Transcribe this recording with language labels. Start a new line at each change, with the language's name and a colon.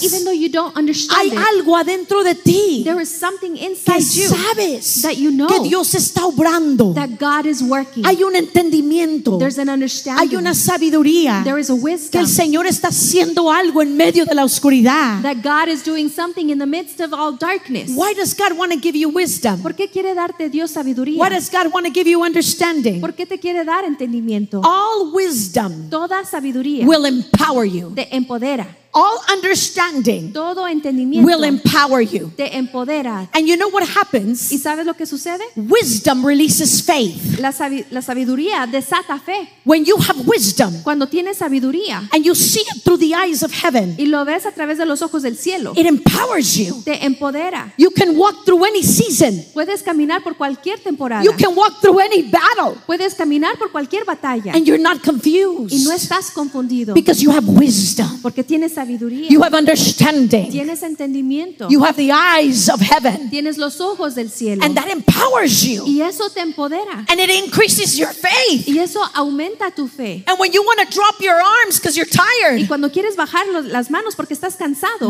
English: that even though you don't understand,
Spanish: hay algo adentro de ti,
English: there is something inside
Spanish: que
English: you,
Spanish: sabes,
English: that you know,
Spanish: que Dios está obrando,
English: that God is working.
Spanish: Hay un entendimiento,
English: there's an understanding.
Spanish: Hay una sabiduría,
English: there is a wisdom.
Spanish: Que el Señor está haciendo algo en medio de la oscuridad.
English: That God is doing something in the midst of all darkness. Why does God want to give you wisdom?
Spanish: ¿Por qué quiere darte Dios sabiduría?
English: Why does God want to give you understanding?
Spanish: ¿Por qué te quiere dar entendimiento?
English: All wisdom,
Spanish: toda sabiduría,
English: will empower you.
Spanish: Te empodera.
English: All understanding,
Spanish: todo entendimiento,
English: will empower you.
Spanish: Te empodera.
English: And you know what happens?
Spanish: ¿Y sabes lo que sucede?
English: Wisdom releases faith.
Spanish: La sabiduría desata fe.
English: When you have wisdom,
Spanish: cuando tienes sabiduría,
English: and you see it through the eyes of heaven,
Spanish: y lo ves a través de los ojos del cielo,
English: it empowers you.
Spanish: Te empodera.
English: You can walk through any season.
Spanish: Puedes caminar por cualquier temporada.
English: You can walk through any battle.
Spanish: Puedes caminar por cualquier batalla.
English: And you're not confused.
Spanish: Y no estás confundido.
English: Because you have wisdom.
Spanish: Porque tienes.
English: You have understanding.
Spanish: Tienes entendimiento.
English: You have the eyes of heaven.
Spanish: Tienes los ojos del cielo.
English: And that empowers you.
Spanish: Y eso te empodera.
English: And it increases your faith.
Spanish: Y eso aumenta tu fe.
English: And when you want to drop your arms because you're tired.
Spanish: Y cuando quieres bajar las manos porque estás cansado.